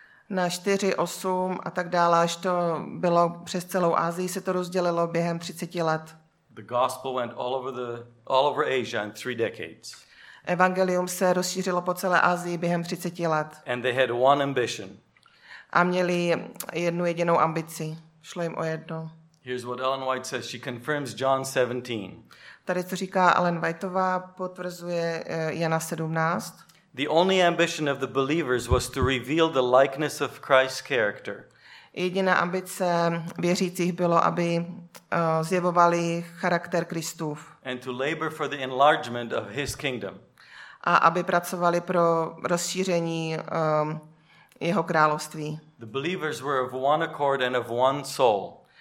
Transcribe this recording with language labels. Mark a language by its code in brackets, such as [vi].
[cs] Na 4, 8 a tak dále, až to bylo přes celou Asii, se to rozdělilo během 30 let. [en] The gospel went all over Asia in 3 decades. [cs] Evangelium se rozšířilo po celé Asii během 30 let. [en] And they had one ambition. [cs] A měli jednu jedinou ambici. Šlo jim o jedno. [en] Here's what Ellen White says. She confirms John 17. [cs] Tady co říká Ellen Whiteová, potvrzuje Jana 17. [en] The only ambition of the believers was to reveal the likeness of Christ's character. [cs] Jediná ambice věřících bylo, aby zjevovali charakter Kristův. [en] And to labor for the enlargement of his kingdom. [cs] A aby pracovali pro rozšíření jeho království. [en] The believers were of one accord and of one soul.